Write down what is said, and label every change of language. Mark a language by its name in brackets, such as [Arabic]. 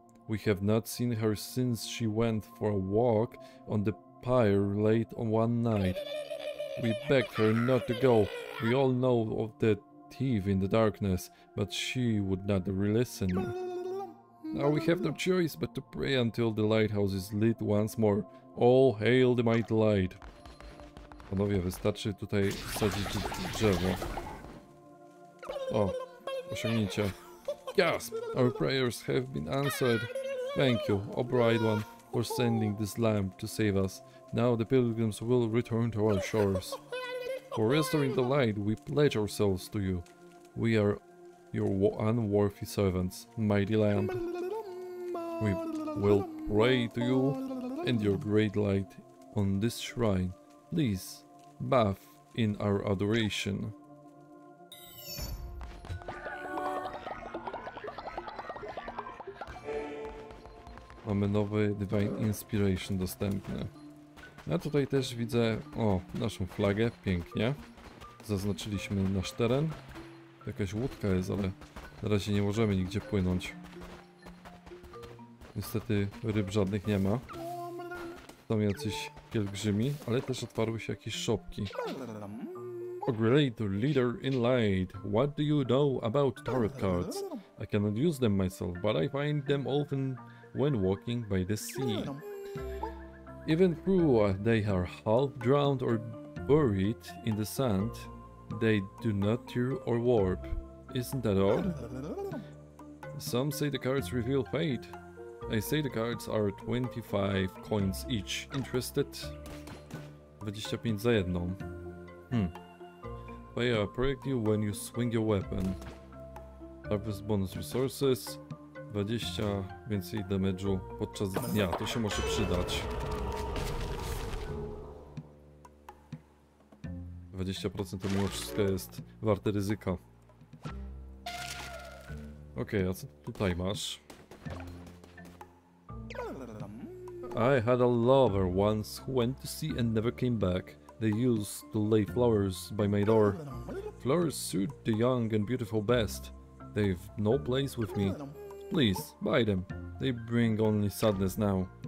[English] We have not seen her since she went for a walk on the pyre late on one night. We begged her not to go. We all know of the thief in the darkness, but she would not listen. Now we have no choice but to pray until the lighthouse is lit once more. All hail the mighty light. [Polish] Panowie, wystarczy tutaj wsadzić drzewo. O, osiągnięcie. Gasp! [English] Our prayers have been answered. Thank you, O bright one, for sending this lamp to save us. Now the pilgrims will return to our shores. For restoring the light, we pledge ourselves to you. We are your unworthy servants, mighty lamp. We will pray to you and your great light on this shrine. Please, bath in our adoration. [Polish] Mamy nowy Divine Inspiration dostępny. Ja tutaj też widzę, o, naszą flagę, pięknie. Zaznaczyliśmy nasz teren. Jakaś łódka jest, ale na razie nie możemy nigdzie płynąć. Niestety ryb żadnych nie ma. Są jacyś pielgrzymi, ale też otwarły się jakieś szopki. [English] Ogrelator, leader in light, what do you know about tarot cards? I cannot use them myself, but I find them often when walking by the sea. Even though they are half drowned or buried in the sand, they do not tear or warp. Isn't that odd? Some say the cards reveal fate. I say the cards are 25 coins each. Interested? [Polish] 25 za jedną. [English] Pay a priority when you swing your weapon. Harvest bonus resources. [Polish] 20 więcej damage'u podczas dnia. To się może przydać. 20% to mimo wszystko jest warte ryzyka. Okej, okay, a co tutaj masz? [English] I had a lover once who went to sea and never came back. They used to lay flowers by my door. Flowers suit the young and beautiful best. They've no place with me. Please, buy them. They bring only sadness now.